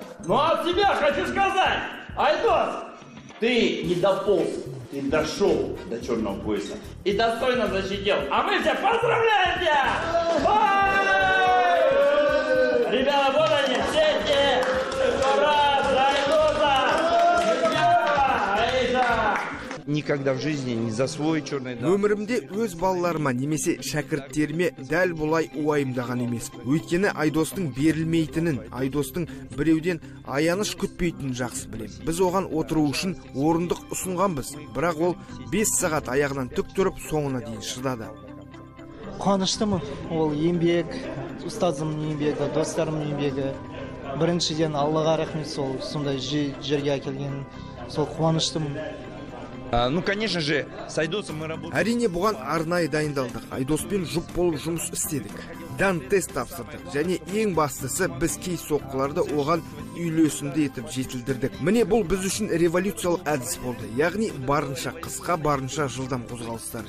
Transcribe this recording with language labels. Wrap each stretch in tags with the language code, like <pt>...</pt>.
<ru>Ну а тебе хочу сказать, Айдос, ты не дополз, ты дошел до черного пояса и достойно защитил. А мы тебя поздравляем! Тебя! Ребята, вот они, все те, кто рад за Айдоса! Никогда в жизни не за свой черный дан.</ru> <kk>Өмірімде өз балаларыма немесе шәкірттеріме дәл бұлай уайымдаған емес. Өйткені Айдостың берілмейтінін, Айдостың біреуден аяныш күтпейтінін жақсы білем. Біз оған отыру үшін орындық ұсынғанбыз, бірақ ол 5 сағат аяғынан тік тұрып соңына дейін шыдады. Қуаныштымын. Ол еңбек, ұстазымның еңбегі, достарымның еңбегі. Біріншіден Аллаға рахмет, сол сондай жерге келген, сол қуаныштымын.</kk> <ru>Ну, конечно же, с Айдосом мы работаем.</ru> <kk>Әрине бұған арнайы дайындалдық. Айдоспен жұп болып жұмыс істедік. Дан-тест тапсырдық. Және ең бастысы, біз кей соққыларды оған үйлесімді етіп жетілдірдік. Міне бұл біз үшін революциялық әдіс болды. Яғни барынша қысқа, барынша жылдам қозғалыстар.</kk>